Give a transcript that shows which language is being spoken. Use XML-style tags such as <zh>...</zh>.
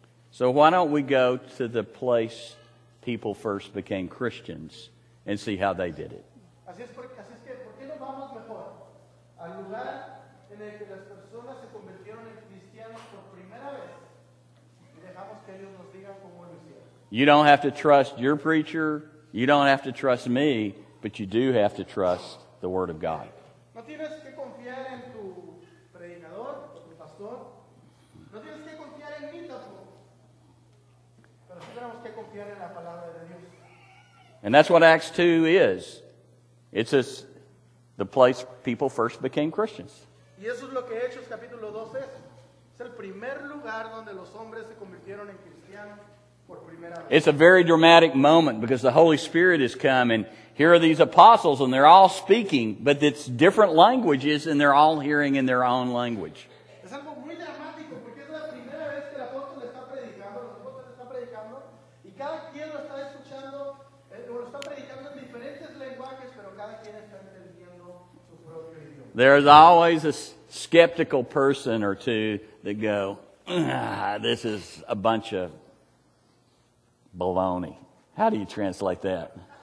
<en>So why don't we go to the place people first became Christians and see how they did it?</en> <es>Así es, por, así es que, ¿por qué no vamos mejor a al lugar en el que las personas se convirtieron en cristianos por primera vez. Y dejamos que ellos nos digan cómo lo hicieron.</es> <en>You don't have to trust your preacher. You don't have to trust me, but you do have to trust the Word of God.</en> <es>No tienes que confiar en tu predicador, tu pastor. No tienes que confiar en mí tampoco. Pero sí tenemos que confiar en la palabra de Dios.</es> <en>And that's what Acts 2 is. It's just the place people first became Christians.</en> <es>Y eso es lo que Hechos capítulo 2 es. Es el primer lugar donde los hombres se convirtieron en cristianos.</es> <en>It's a very dramatic moment because the Holy Spirit has come and here are these apostles and they're all speaking, but it's different languages and they're all hearing in their own language.</en> <es>Es algo muy dramático porque es la primera vez que el apóstol está predicando, los apóstoles están predicando y cada quien lo está escuchando, o lo está predicando en diferentes lenguajes, pero cada quien está entendiendo su propio idioma.</es> <en>There's always a skeptical person or two that go, this is a bunch of baloney. How do you translate that?</en>